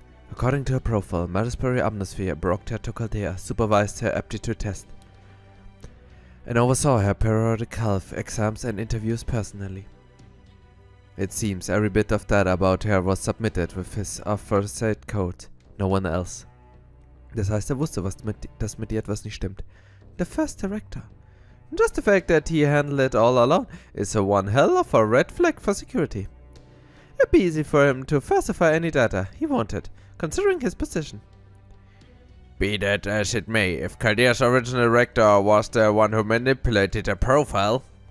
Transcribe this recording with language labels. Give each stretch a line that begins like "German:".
English: According to her profile, Marisbury Amnosphere brought her to Chaldea, supervised her aptitude test, and oversaw her periodic health exams and interviews personally. It seems every bit of data about her was submitted with his aforesaid code, no one else.
German: Das heißt, er wusste, dass mit ihr etwas nicht stimmt.
English: The first director. Just the fact that he handled it all alone is a one hell of a red flag for security. It'd be easy for him to falsify any data he wanted, considering his position. Be that as it may, if Cardia's original rector was the one who manipulated the profile...